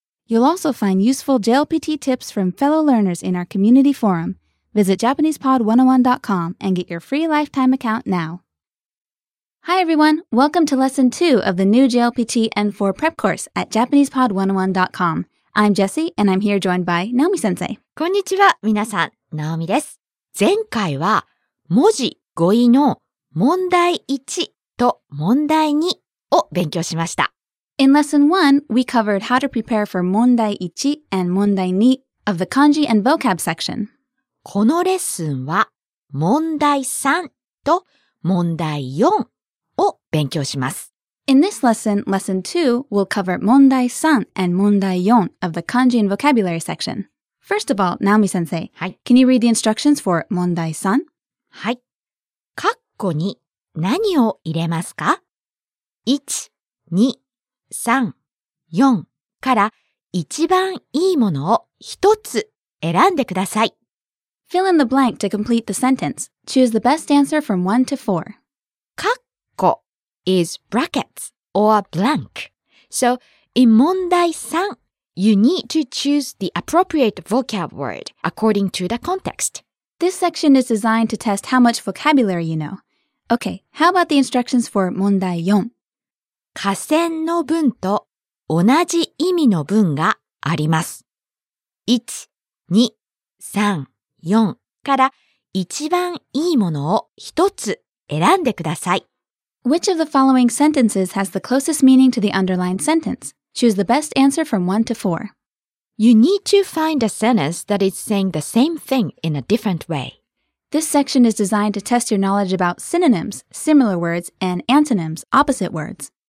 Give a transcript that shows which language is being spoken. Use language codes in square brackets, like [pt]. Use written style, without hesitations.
[en] You'll also find useful JLPT tips from fellow learners in our community forum. Visit JapanesePod101.com and get your free lifetime account now. Hi everyone, welcome to Lesson 2 of the new JLPT N4 Prep Course at JapanesePod101.com. I'm Jessie, and I'm here joined by Naomi-sensei. [ja] こんにちは、皆さん、Naomiです。前回は文字語彙の問題1と問題2を勉強しました。 [en] In lesson 1, we covered how to prepare for 問題1 and 問題2 of the kanji and vocab section. [ja] このレッスンは問題3と問題4を勉強します。 [en] In this lesson, lesson 2, we'll cover 問題3 and 問題4 of the kanji and vocabulary section. First of all, Naomi-sensei, can you read the instructions for 問題3? [ja] はい。カッコに何を入れますか ?1、2、3、4から一番いいものを一つ選んでください。 [en] Fill in the blank to complete the sentence. Choose the best answer from 1 to 4. カッコ。Is brackets or blank. So, in 問題3, you need to choose the appropriate vocab word according to the context. This section is designed to test how much vocabulary you know. Okay, how about the instructions for 問題4? [ja] 下線の文と同じ意味の文があります。 1、2、3、4から一番いいものを一つ選んでください。 [en] Which of the following sentences has the closest meaning to the underlined sentence? Choose the best answer from 1 to 4. You need to find a sentence that is saying the same thing in a different way. This section is designed to test your knowledge about synonyms, similar words, and antonyms, opposite words.